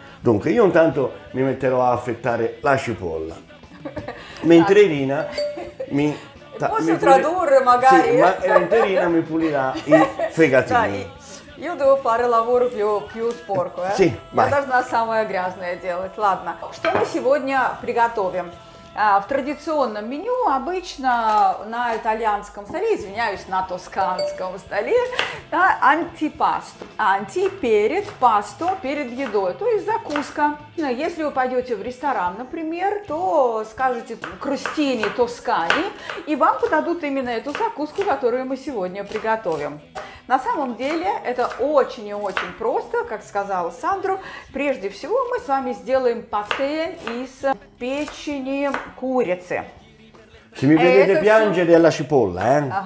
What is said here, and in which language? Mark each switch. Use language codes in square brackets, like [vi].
[it] Dunque io intanto mi metterò a affettare la cipolla. Mentre Irina mi tradurre magari. Sì, ma Irina mi pulirà i fegatini. Io devo fare lavoro più sporco, Sì, vai. Io [ru] должна самое грязное делать. Ладно. Что мы сегодня приготовим? В традиционном меню обычно на итальянском столе, извиняюсь, на тосканском столе, да, антипасто. Анти перед пасто, перед едой, то есть закуска. Если вы пойдете в ресторан, например, то скажете «крустини тоскани», и вам подадут именно эту закуску, которую мы сегодня приготовим. На самом деле это очень и очень просто, как сказал Сандро. Прежде всего мы с вами сделаем пате из печени курицы. [it] Se mi vedete piangere alla cipolla,